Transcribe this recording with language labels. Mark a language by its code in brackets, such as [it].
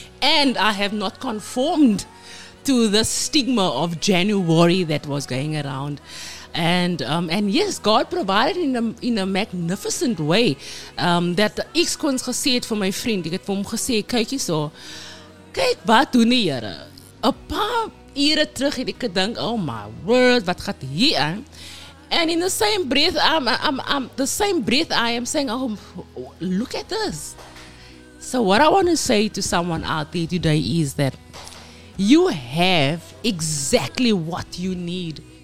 [en] And I have not conformed to the stigma of January that was going around. And yes, God provided in a magnificent way. [af] That ek kon gesê het vir my vriend, ek het vir hom gesê, kyk hierso, kyk wat doen die Here. 'N paar ure terug het ek gedink, oh my word, wat gaat hier aan? [en] And in the same breath, I am saying, oh, look at this. So what I want to say to someone out there today is that you have exactly what you need.